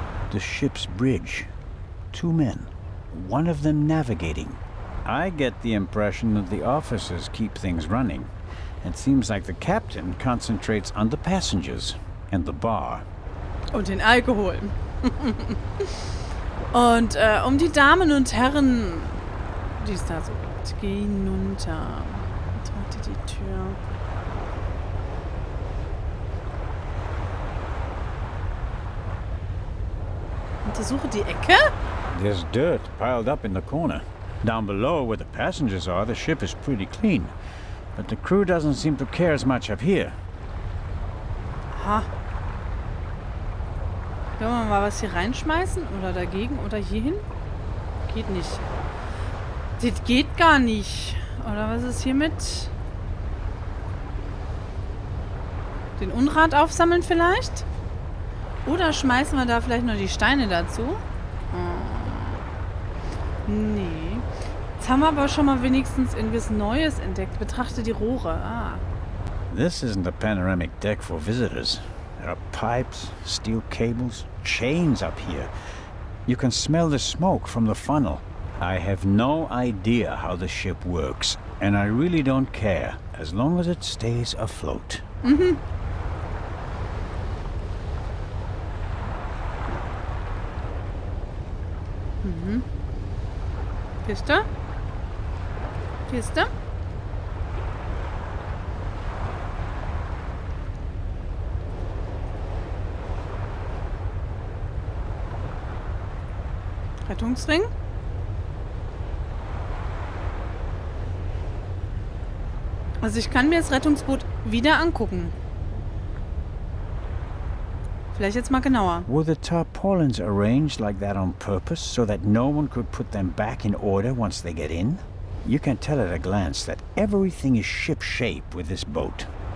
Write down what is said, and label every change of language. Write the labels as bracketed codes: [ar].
[en] The ship's bridge. Two men. One of them navigating. I get the impression that the officers keep things running. It seems like the captain concentrates on the passengers and the bar. [de] Und den Alkohol. Und um die Damen und Herren, die es da so gibt, geh hinunter. Betrachte die Tür. Untersuche die Ecke? [en] There's dirt piled up in the corner. Down below, where the passengers are, the ship is pretty clean. But the crew doesn't seem to care as much up here. Aha. [de] Können wir mal was hier reinschmeißen? Oder dagegen? Oder hierhin? Geht nicht. Das geht gar nicht. Oder was ist hiermit? Den Unrat aufsammeln vielleicht? Oder schmeißen wir da vielleicht noch die Steine dazu? Nee. Jetzt haben wir aber schon mal wenigstens irgendwas Neues entdeckt. Betrachte die Rohre. Ah. [en] This isn't a panoramic deck for visitors. There are pipes, steel cables, chains up here. You can smell the smoke from the funnel. I have no idea how the ship works. And I really don't care, as long as it stays afloat. [de] Kiste? Kiste? Rettungsring? Also ich kann mir das Rettungsboot wieder angucken. Vielleicht jetzt mal genauer. [en] Were the tarpaulins arranged like that on purpose, so that no one could put them back in order once they get in? You can tell at a glance that everything is ship-shape with this boat.